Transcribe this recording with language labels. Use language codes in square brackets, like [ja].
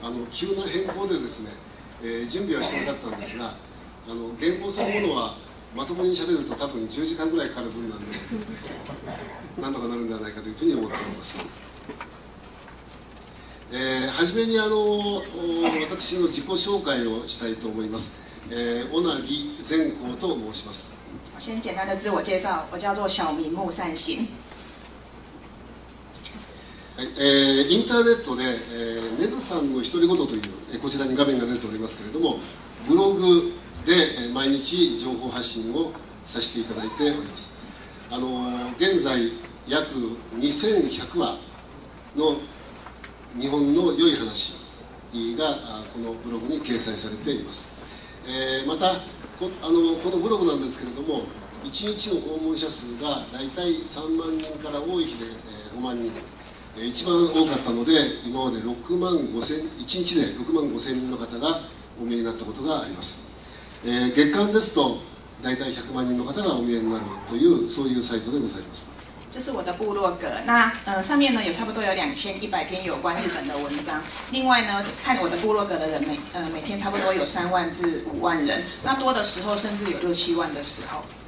[ja] 急な変更でですね、準備はしてなかったんですが、原稿そのものはまともに喋ると多分10時間ぐらいかかる分なんで、なんとかなるんではないかというふうに思っております。はじめに私の自己紹介をしたいと思います。小名木善光と申します。 [zh] 先简单的自我介绍，我叫做小明木善行。 [ja] インターネットで、ネズさんの独り言という、こちらに画面が出ておりますけれども、ブログで、毎日情報発信をさせていただいております。現在約2100話の日本の良い話がこのブログに掲載されています。また このブログなんですけれども、1日の訪問者数が大体3万人から多い日で5万人、一番多かったので今まで6万5千人の方がお見えになったことがあります。月間ですと大体100万人の方がお見えになるという、そういうサイトでございます。 [zh] 这是我的部落格，那上面呢有差不多有2100篇有关日本的文章。另外呢，看我的部落格的人每天差不多有3万至5万人，那多的时候甚至有6、7万的时候。